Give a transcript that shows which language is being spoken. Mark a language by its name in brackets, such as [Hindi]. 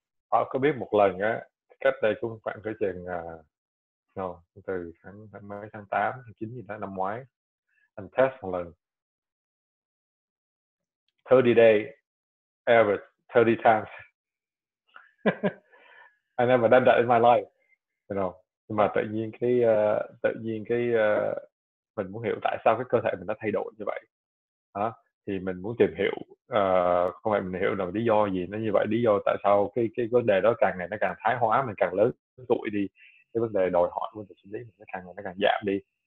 [Vietnamese] Bảo có biết một lần á, cách đây cũng khoảng cái chừng từ tháng mấy tháng 8, tháng 9 gì đó năm ngoái, anh test một lần [English] 30 days average 30 times. I never done that in my life, you know. [Vietnamese] Nhưng mà tự nhiên cái mình muốn hiểu tại sao cái cơ thể mình nó thay đổi như vậy hả? Thì mình muốn tìm hiểu, không phải mình hiểu là lý do gì nó như vậy, lý do tại sao cái vấn đề đó càng ngày nó càng thái hóa, mình càng lớn tuổi đi, cái vấn đề đòi hỏi của mình sinh lý nó càng ngày nó càng giảm đi.